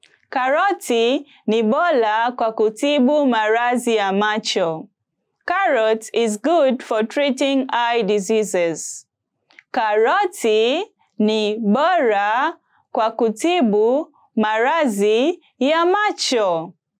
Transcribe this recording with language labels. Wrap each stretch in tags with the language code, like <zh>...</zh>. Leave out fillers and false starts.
<sw>Karoti ni bora kwa kutibu marazi ya macho.</sw> <en>Carrot is good for treating eye diseases.</en> <sw>Karoti ni bora kwa kutibu marazi ya macho.</sw>